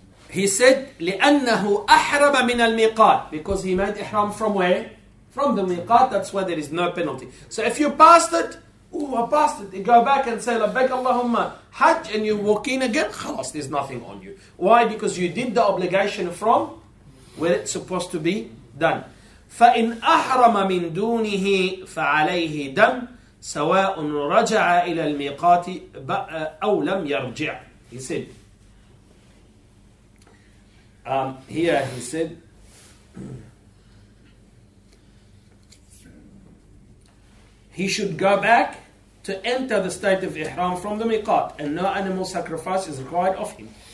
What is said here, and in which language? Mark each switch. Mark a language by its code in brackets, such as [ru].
[ar] He said, لِأَنَّهُ أَحْرَمَ مِنَ الْمِقَاتِ. [en] Because he made ihram from where? From the miqat, that's why there is no penalty. So if you passed it, I passed it. You go back and say, لَبَّكَ اللَّهُمَّ Hajj, and you walk in again, خلاص, there's nothing on you. Why? Because you did the obligation from where it's supposed to be done. [ar] فإن أحرم من دونه فعليه دم سواء رجع إلى الميقات أو لم يرجع. [en] He said, here he said, he should go back to enter the state of Ihram from the Miqat, and no animal sacrifice is required of him.